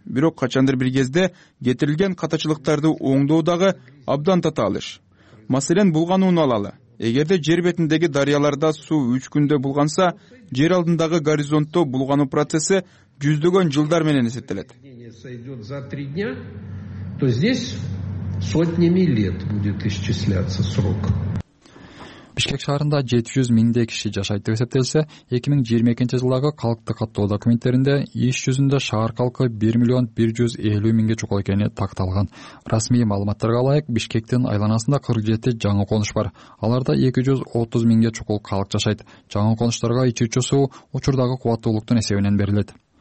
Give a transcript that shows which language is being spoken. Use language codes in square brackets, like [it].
[ky] Бирок качандыр бир кезде кетирилген катачылыктарды оңдоодагы абдан татаал иш. Маселен, булгануну алалы. Эгерде жер бетиндеги дарыяларда суу 3 күндө булганса, жер алдындагы горизонтто булгануу процесси жүздөгөн жылдар менен эсептелет. [ru] То здесь сотнями лет будет исчисляться срок. [ky] Бишкек шаарында 700 миңдей киши жашайт деп эсептелсе, 2022 жылдагы калктык каттоо документтеринде иш жүзүндө шаар калкы 1 миллион 150 миңге чукул экени такталган. Расмий маалыматтарга ылайык, Бишкектин айланасында 47 жаңы конуш бар. Аларда 230 миңге чукул калк жашайт. Жаңы конуштарга ичүүчү суу учурдагы кубаттуулуктун эсебинен берилет.